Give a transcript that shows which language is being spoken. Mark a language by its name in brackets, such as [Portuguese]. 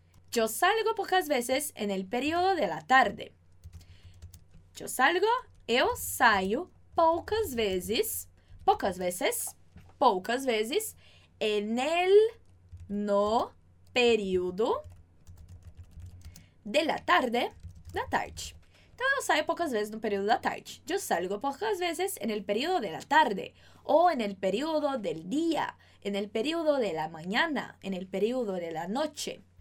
[Spanish] Yo salgo pocas veces en el periodo de la tarde. Yo salgo, [Portuguese] eu saio poucas vezes. Poucas vezes, en el, no, período, de la tarde, da tarde. Então, eu saio poucas vezes no período da tarde. [Spanish] Yo salgo pocas veces en el período de la tarde. Ou en el período del día, en el período de la mañana, en el período de la noche.